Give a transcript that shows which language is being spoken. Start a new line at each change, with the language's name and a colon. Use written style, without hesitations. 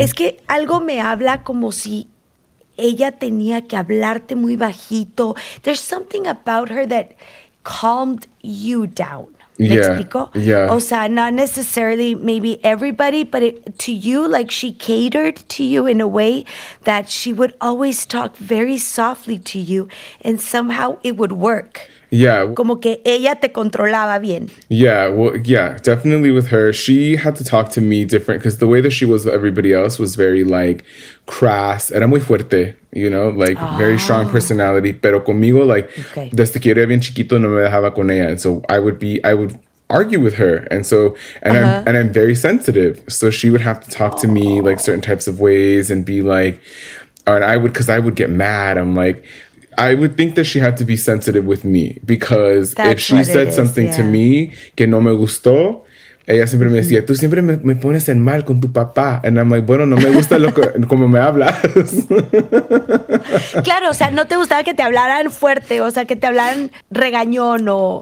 Spanish: Es que algo me habla como si ella tenía que hablarte muy bajito.
English: There's something about her that calmed you down. Yeah.
Spanish: O sea,
English: not necessarily maybe everybody, but to you, like she catered to you in a way that she would always talk very softly to you and somehow it would work. Yeah.
Spanish: Como que ella te controlaba bien.
English: Yeah. Well, yeah, definitely with her. She had to talk to me different because the way that she was with everybody else was very like crass.
Spanish: Era muy fuerte,
English: you know, like very strong personality.
Spanish: Pero conmigo, like, desde que era bien chiquito, no me dejaba con ella.
English: And so I would argue with her. And so, I'm very sensitive. So she would have to talk to me like certain types of ways and be like, and I would, because I would get mad. I'm like, I would think that she had to be sensitive with me because that's if she said something to me
Spanish: que no me gustó, Ella siempre me decía, tú siempre me pones en mal con tu papá.
English: And I'm like,
Spanish: bueno, no me gusta lo que, como me hablas. Claro, o sea, no te gustaba que te hablaran fuerte, o sea, que te hablaran regañón o...